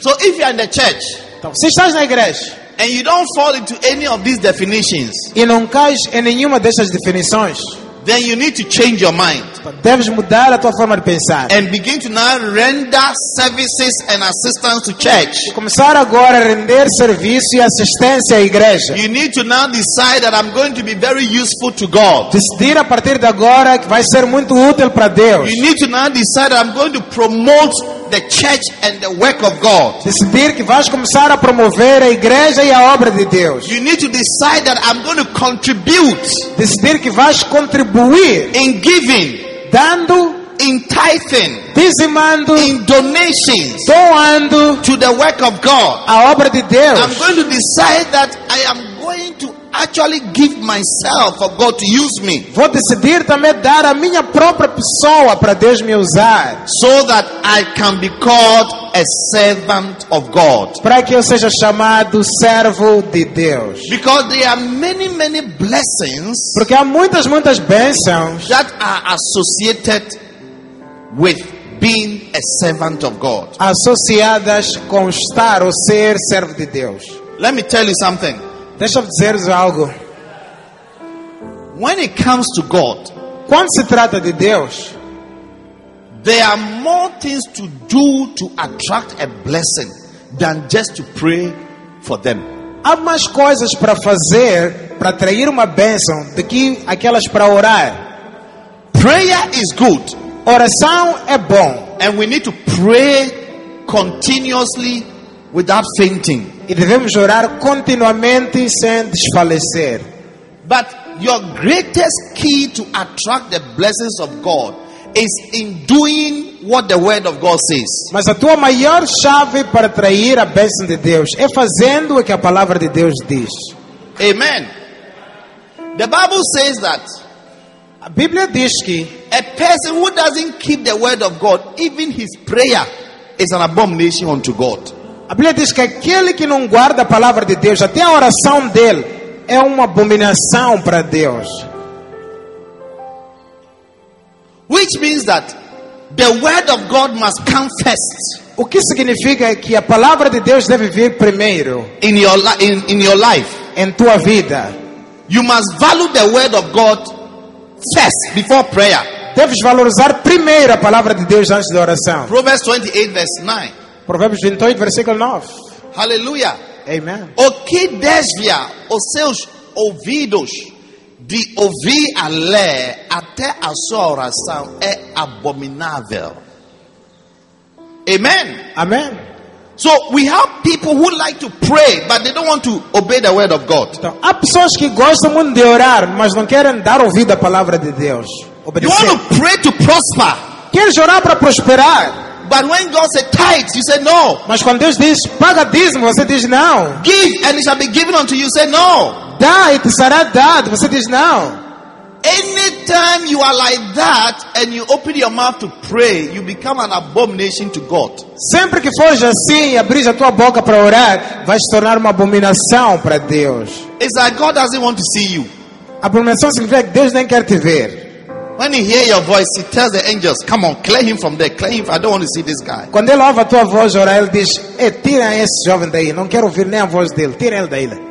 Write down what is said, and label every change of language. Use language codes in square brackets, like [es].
[en] So if you are in the church, [pt] então, se estás na igreja, [en] and you don't fall into any of these definitions, [pt] e não cais em nenhuma dessas definições, [en] then you need to change your mind. [pt] Deves mudar a tua forma de pensar. [en] And begin to now render services and assistance to church. [pt] E começar agora a render serviço e assistência à igreja. [en] You need to now decide that I'm going to be very useful to God. [pt] Decidir a partir de agora que vai ser muito útil para Deus. [en] You need to now decide that I'm going to promote the church and the work of God. [pt] Decidir que vais começar a promover a igreja e a obra de Deus. [en] You need to decide that I'm going to contribute. [pt] Decidir que vais contribuir [en] in giving, [pt] dando, [en] in tithing, [pt] dizimando, [en] in donations, [pt] doando [en] to the work of God, [pt] a obra de Deus. [en] I'm going to decide that I am going to actually give myself for God to use me. [pt] Vou decidir também dar a minha própria pessoa para Deus me usar. [en] So that I can be called a servant of God. [pt] Para que eu seja chamado servo de Deus. [en] Because there are many, many blessings. [pt] Porque há muitas, muitas bênçãos [en] that are associated with being a servant of God. [pt] Associadas com estar ou ser servo de Deus. [en] Let me tell you something. [pt] Deixa-me dizer algo. [en] When it comes to God, [pt] quando se trata de Deus, [en] there are more things to do to attract a blessing than just to pray for them. [pt] Há mais coisas para fazer para atrair uma bênção do que aquelas para orar. [en] Prayer is good. [pt] Oração é bom. [en] And we need to pray continuously without fainting. [pt] E devemos orar continuamente sem desfalecer. [en] But your greatest key to attract the blessings of God is in doing what the word of God says. [pt] Mas a tua maior chave para atrair a bênção de Deus é fazendo o que a palavra de Deus diz. [en] Amen. The Bible says that. [pt] A Bíblia diz que [en] a person who doesn't keep the word of God, even his prayer, is an abomination unto God. [pt] A Bíblia diz que aquele que não guarda a palavra de Deus, até a oração dele é uma abominação para Deus. [en] Which means that the word of God must come first. [pt] O que significa que a palavra de Deus deve vir primeiro [en] in your life, [pt] em tua vida. [en] You must value the word of God first before prayer. [pt] Deves valorizar primeiro a palavra de Deus antes da oração. [en] Proverbs 28 verse 9. [pt] Provérbios 28, versículo 9. Aleluia. Amen. O que desvia os seus ouvidos de ouvir a ler até a sua oração é abominável. Amen. Amen. [en] So we have people who like to pray, but they don't want to obey the word of God. [pt] Então, há pessoas que gostam muito de orar, mas não querem dar ouvido à palavra de Deus. Obedecer. [en] You want to pray to prosper. [pt] Queres orar para prosperar. [en] But when God said tithe, you said no. [pt] Mas quando Deus diz paga dízimo, você diz não. [en] Give and it shall be given unto you, you said no. [pt] Dá e te será dado, você diz não. [en] Anytime you are like that and you open your mouth to pray, you become an abomination to God. [pt] Sempre que fores assim e abrir a tua boca para orar, vai se tornar uma abominação para Deus. [en] It's like God doesn't want to see you. [pt] Abominação significa que Deus nem quer te ver. [en] When he hears your voice, he tells the angels, come on, clear him from there, clear him, I don't want to see this guy. [pt] Quando ele ouve a tua voz, ora, ele diz, tira esse jovem daí, não quero ouvir nem a voz dele, tira ele daí.